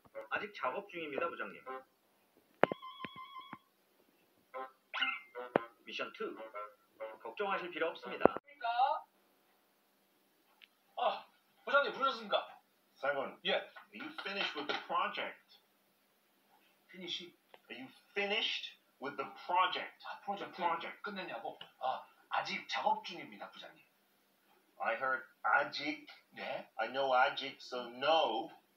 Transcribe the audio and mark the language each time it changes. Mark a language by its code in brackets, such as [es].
[ko] 아직 작업 중입니다, 부장님. 미션 2. 걱정하실 필요 없습니다. 아, 부장님 부르셨습니까? 사원. [en] Yes. Are you finished with the project? Are you finished with the project? [ko] 아, 프로젝트 끝냈냐고? 아, 아직 작업 중입니다, 부장님. [en] I heard 아직. [ko] 네. [en] I know 아직, so no.